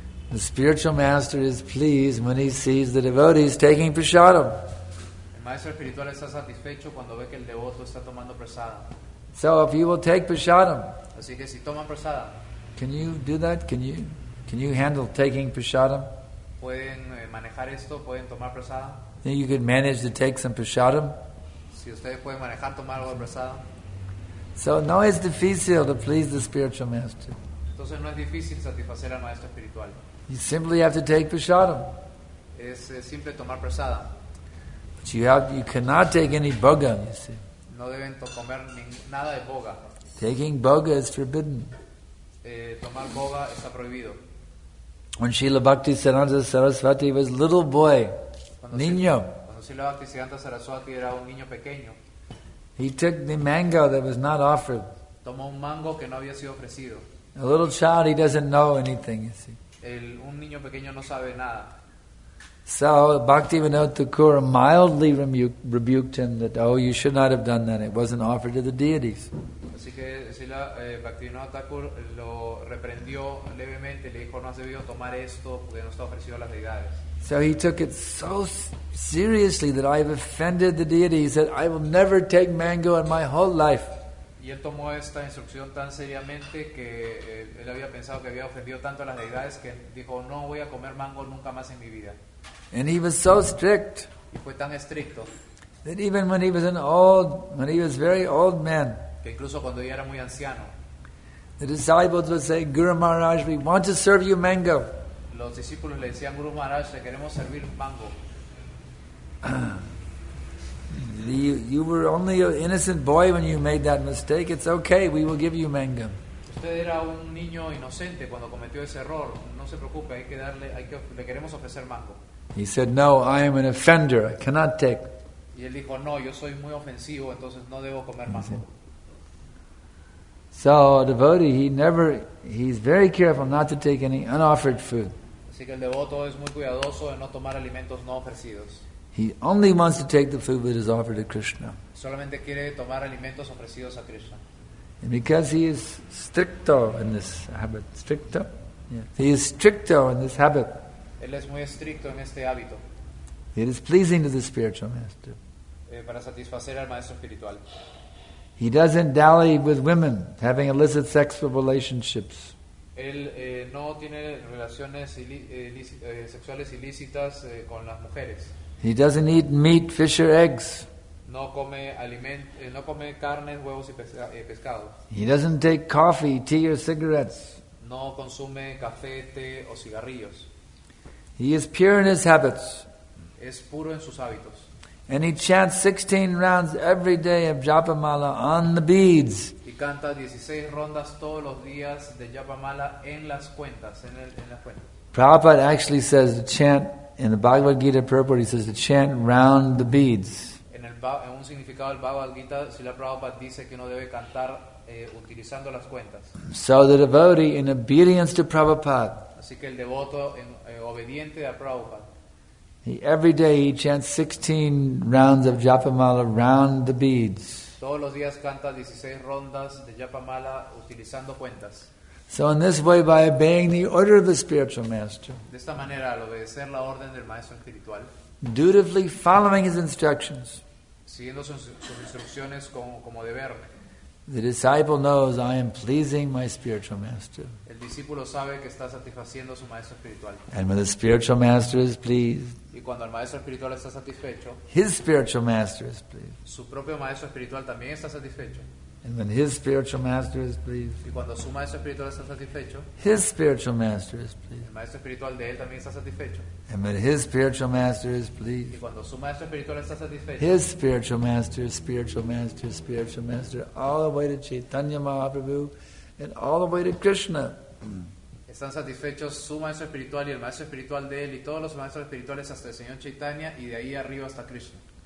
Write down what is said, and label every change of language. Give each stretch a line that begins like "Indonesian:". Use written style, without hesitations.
English: The spiritual master is pleased when he sees the devotees taking prasadam.
Spanish: Maestro espiritual está satisfecho cuando ve que el devoto está tomando prasada.
English: So if you will take prasadam,
Spanish: así que si toman prasada,
English: can you do that? Can you handle taking prasadam?
Spanish: Pueden manejar esto, pueden tomar prasada.
English: Then you can manage to take some prasadam.
Spanish: Si ustedes pueden manejar tomar algo de prasada.
English: So
Spanish: no es difícil
English: to please the spiritual master.
Spanish: Entonces no es difícil satisfacer al maestro espiritual.
English: You simply have to take prasadam.
Spanish: Es simple tomar prasada.
English: You cannot take any bhoga, you see.
Spanish: No deben comer nada de bhoga.
English: Taking bhoga is forbidden.
Spanish: Tomar bhoga está prohibido.
English: When Srila Bhakti Siddhanta Saraswati was a little boy,
Spanish: cuando Srila Bhakti Siddhanta Saraswati era un niño pequeño,
English: he took the mango that was not offered.
Spanish: Tomó un mango que no había sido ofrecido.
English: A little child, he doesn't know anything, you see.
Spanish: Un niño pequeño no sabe nada.
English: So Bhaktivinoda Thakura mildly rebuked him that, oh, you should not have done that. It wasn't offered to the deities.
Spanish: Así que Srila Bhaktivinoda Thakur lo reprendió levemente, le dijo, no has debido tomar esto porque no está ofrecido a las deidades.
English: So he took it so seriously that I've offended the deity. He said, I will never take mango in my whole life.
Spanish: Y él tomó esta instrucción tan seriamente que él había pensado que había ofendido tanto a las deidades que dijo, no voy a comer mango nunca más en mi vida.
English: And he was so strict.
Spanish: Y fue tan estricto.
English: That even when he was an old, when he was very old man.
Spanish: Que incluso cuando ya era muy anciano.
English: The disciples would say, Guru Maharaj, we want to serve you mango.
Spanish: Los discípulos le decían, Guru Maharaj, le queremos servir mango.
English: You were only an innocent boy when you made that mistake. It's okay, we will give you mango.
Spanish: Usted era un niño inocente cuando cometió ese error. No se preocupe, hay que darle, hay que, le queremos ofrecer mango.
English: He said, no, I am an offender. I cannot take.
Spanish: Y él dijo, no, yo soy muy ofensivo, entonces no debo comer mango.
English: So a devotee, he never, he's very careful not to take any unoffered food.
Spanish: Así que el devoto es muy cuidadoso de no tomar alimentos no ofrecidos.
English: He only wants to take the food that is offered to Krishna.
Spanish: Solamente quiere tomar alimentos ofrecidos a Krishna.
English: And because he is stricto in this habit, stricto, yeah. He is stricto in this habit.
Spanish: Él es muy estricto en este hábito.
English: It is pleasing to the spiritual master.
Spanish: Para satisfacer al maestro espiritual.
English: He doesn't dally with women having illicit sexual relationships.
Spanish: Él no tiene relaciones sexuales ilícitas con las mujeres.
English: He doesn't eat meat, fish or eggs.
Spanish: No come no come carne, huevos y pescado.
English: He doesn't take coffee, tea or cigarettes.
Spanish: No consume café, té o cigarrillos.
English: He is pure in his habits.
Spanish: Es puro en sus hábitos.
English: And he chants 16 rounds every day of Japa Mala on the beads.
Spanish: Y canta 16 rondas todos los días de Japa Mala en las cuentas, en las cuentas.
English: Prabhupada actually says to chant in the Bhagavad Gita purport, he says to chant round the beads.
Spanish: En un significado del Bhagavad Gita, Srila Prabhupada dice que uno debe cantar utilizando las cuentas.
English: So the devotee, in obedience to Prabhupada,
Spanish: así que el devoto obediente a Prabhupada,
English: he, every day he chants 16 rounds of Japa Mala round the beads.
Spanish: Todos los días canta 16 rondas de Japa Mala utilizando cuentas.
English: So in this way, by obeying the order of the spiritual master,
Spanish: de esta manera, al obedecer la orden del maestro espiritual,
English: dutifully following his instructions,
Spanish: siguiendo sus instrucciones como deber,
English: the disciple knows I am pleasing my spiritual master.
Spanish: El discípulo sabe que está satisfaciendo a su maestro espiritual.
English: And when the spiritual master is pleased,
Spanish: y cuando el maestro espiritual está satisfecho,
English: his spiritual master is pleased.
Spanish: Su propio maestro espiritual también está satisfecho.
English: And when his spiritual master is pleased,
Spanish: y cuando su maestro espiritual está satisfecho,
English: his spiritual master is pleased.
Spanish: El maestro espiritual de él también está satisfecho.
English: And when his spiritual master is pleased,
Spanish: y cuando su maestro espiritual está satisfecho,
English: his spiritual master, spiritual master, spiritual master, all the way to Chaitanya Mahaprabhu and all the way to Krishna.
Spanish: Están satisfechos su maestro espiritual y el maestro espiritual de él y todos los maestros espirituales hasta el Señor Chaitanya y de ahí arriba hasta Krishna.